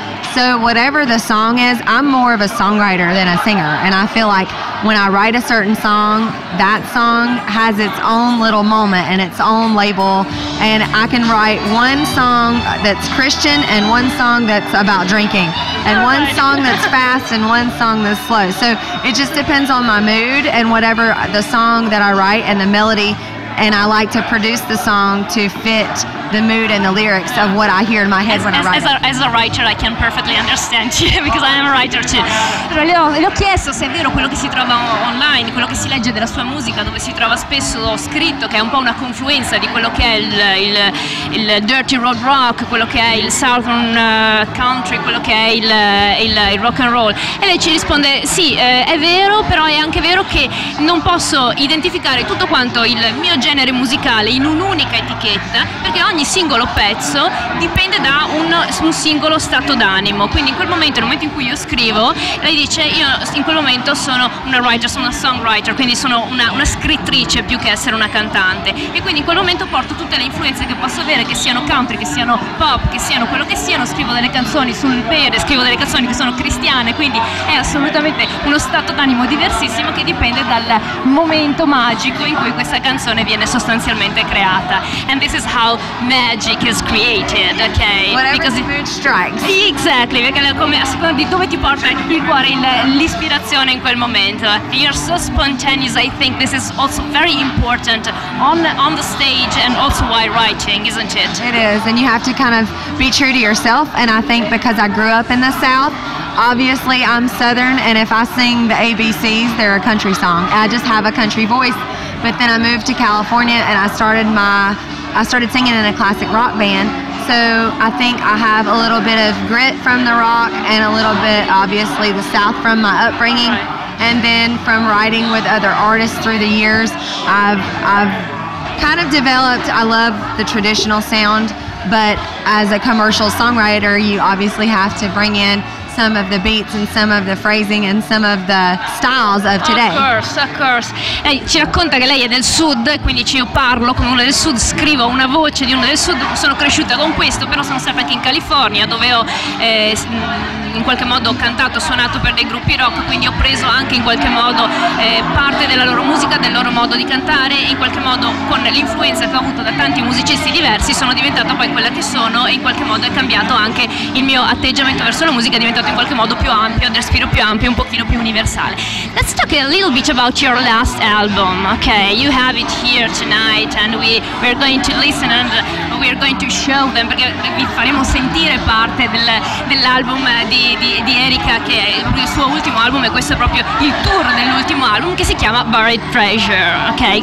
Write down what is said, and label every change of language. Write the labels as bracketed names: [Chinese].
[English] So whatever the song is, I'm more of a songwriter than a singer, and I feel like when I write a certain song, that song has its own little moment and its own label, and I can write one song that's Christian and one song that's about drinking, and one song that's fast and one song that's slow. So it just depends on my mood and whatever the song that I write and the melody, and I like to produce the song to fit the mood and the lyrics of what I hear in my head when I write. As a writer, I can perfectly understand you because I am a writer too. [Italian] Però le ho chiesto se è vero quello che si trova online, quello che si legge della sua musica, dove si trova spesso scritto, che è un po' una confluenza di quello che è il dirty road rock, quello che è il southern country, quello che è il rock and roll. E lei ci risponde: sì, è vero, però è anche vero che non posso identificare tutto quanto il mio genere musicale in un'unica etichetta, perché ogni singolo pezzo dipende da un singolo stato d'animo. Quindi in quel momento, nel momento in cui io scrivo, lei dice: io in quel momento sono una writer, sono una songwriter, quindi sono una scrittrice più che essere una cantante, e quindi in quel momento porto tutte le influenze che posso avere, che siano country, che siano pop, che siano quello che siano, scrivo delle canzoni sul pere, scrivo delle canzoni che sono cristiane, quindi è assolutamente uno stato d'animo diversissimo che dipende dal momento magico in cui questa canzone viene sostanzialmente creata. [English] And this is how magic is created, okay? Because the mood strikes. Exactly, [Italian] perché come, a seconda di dove ti porta il cuore, l'ispirazione in quel momento. [English] You're so spontaneous, I think this is also very important on the stage and also while writing, isn't it? It is, and you have to kind of be true to yourself, and I think because I grew up in the South, obviously I'm Southern, and if I sing the ABCs, they're a country song. I just have a country voice. But then I moved to California and I started singing in a classic rock band. So I think I have a little bit of grit from the rock and a little bit, obviously, the South from my upbringing. And then from writing with other artists through the years, I've kind of developed, I love the traditional sound, but as a commercial songwriter, you obviously have to bring in some of the beats and some of the phrasing and some of the styles of today. Of course. [Italian] E ci racconta che lei è del sud, quindi io parlo con uno del sud, scrivo una voce di uno del sud, sono cresciuta con questo, però sono sempre anche in California, dove ho in qualche modo ho cantato, suonato per dei gruppi rock, quindi ho preso anche in qualche modo parte della loro musica, del loro modo di cantare, e in qualche modo con l'influenza che ho avuto da tanti musicisti diversi sono diventata poi quella che sono, e in qualche modo è cambiato anche il mio atteggiamento verso la musica, è diventato in qualche modo più ampio, un respiro più ampio, un pochino più universale. [English] Let's talk a little bit about your last album, okay? You have it here tonight and we're going to listen and we're going to show them, [Italian] perché vi faremo sentire parte dell'album di Erika, che è il suo ultimo album, e questo è proprio il tour dell'ultimo album, che si chiama Buried Treasure, okay?